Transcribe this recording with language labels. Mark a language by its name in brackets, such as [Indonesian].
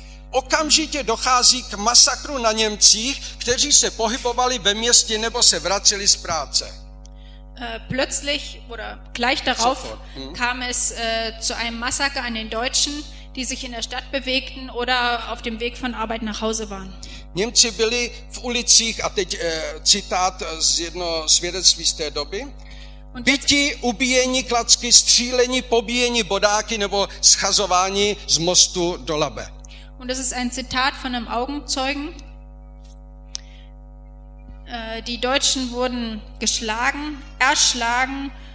[Czech] Okamžitě dochází k masakru na Němcích, kteří se pohybovali ve městě nebo se vraceli z práce. [German] Plötzlich oder gleich darauf kam es zu einem Massaker an den Deutschen, die sich in der Stadt bewegten oder auf dem Weg von Arbeit nach Hause waren. [Czech] Němci byli v ulicích, a teď citát z jednoho svědectví z té doby, biti, ubíjeni, klacky, stříleni, pobíjeni bodáky nebo schazováni z mostu do Labe. [German] Und das ist ein Zitat von einem Augenzeugen. Die Deutschen wurden geschlagen, erschlagen,